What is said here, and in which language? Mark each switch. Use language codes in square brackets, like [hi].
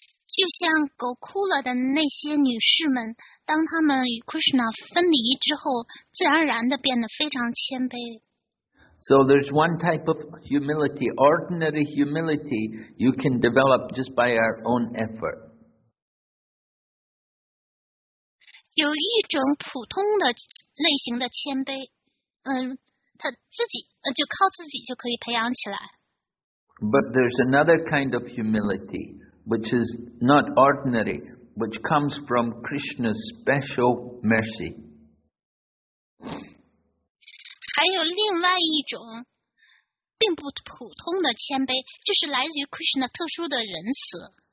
[zh] 就像 Gokula 的那些女士们，当她们与 Krishna 分离之后，自然而然地变得非常谦卑。 [en] So there's one type of humility, ordinary humility, you can develop just by our own effort. [zh] 有一种普通的类型的谦卑，她自己就靠自己就可以培养起来。 [en] But there's another kind of humility. Which is not ordinary, which comes from Krishna's special mercy. [zh] 还有另外一种并不普通的谦卑，就是来自于 Krishna 特殊的仁慈。